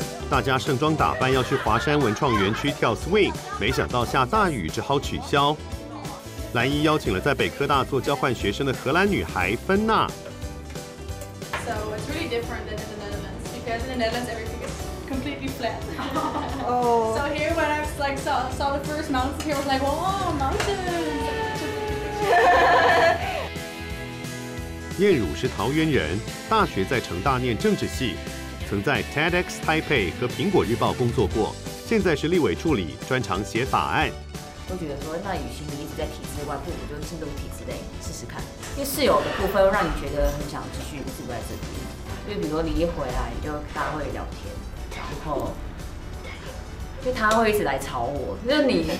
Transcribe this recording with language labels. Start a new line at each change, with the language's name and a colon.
Chinese: 大家盛装打扮要去华山文创园区跳 swing， 没想到下大雨，只好取消。蓝衣邀请了在北科大做交换学生的荷兰女孩芬娜。
English: So it's really different than in the Netherlands. Because in the Netherlands everything is completely flat. So here when I like saw the first mountains here, I was like, wow, mountains.
Chinese: 燕汝是桃园人，大学在成大念政治系。曾在 TEDx Taipei 和苹果日报工作过，现在是立委助理，专长写法案。我觉得说，那与其你一直在体制外，不如就进入体制内试试看。因为室友的部分会让你觉得很想继续住在这边，因为比如说你一回来，你就大家会聊天，然后就他会一直来吵我，就是你